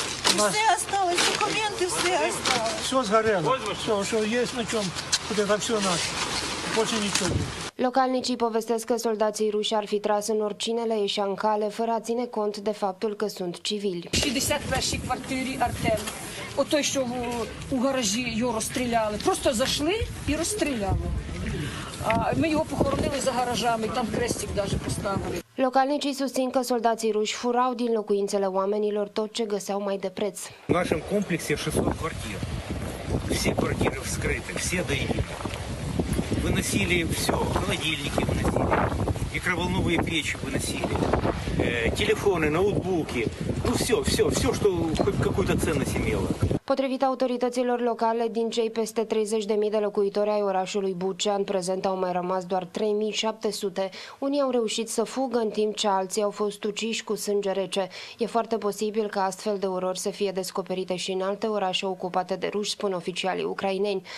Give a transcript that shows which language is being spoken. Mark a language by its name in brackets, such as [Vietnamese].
[Russian] Все осталось, документы все остались. Все сгорело. Все, что есть на чем, вот это все наше. Больше ничего нет. [Romanian] Localnicii povestesc că soldații ruși ar fi tras în oricine le ieșea în cale, fără a ține cont de faptul că sunt civili. [Ukrainian] 61-ші квартири Артем, о той, що у гаражі його розстріляли, просто зайшли і розстріляли. Ми його похоронили за гаражами, там крестик навіть поставили. [Romanian] Localnicii susțin că soldații ruși furau din locuințele oamenilor tot ce găseau mai de preț. [Ukrainian] În нашому комплексі 600 квартир. Всі квартири вскриті, всі до їх. [Russian] Выносили все, холодильники выносили, микроволновые печи выносили, телефоны, ноутбуки, ну все, все, все, что хоть какую-то ценность имело. [Romanian] Potrivit autorităților locale, din cei peste 30.000 de locuitori ai orașului Bucea, în prezent au mai rămas doar 3.700. Unii au reușit să fugă, în timp ce alții au fost uciși cu sânge rece. E foarte posibil că astfel de urori să fie descoperite și în alte orașe ocupate de ruși, spun oficialii ucraineni.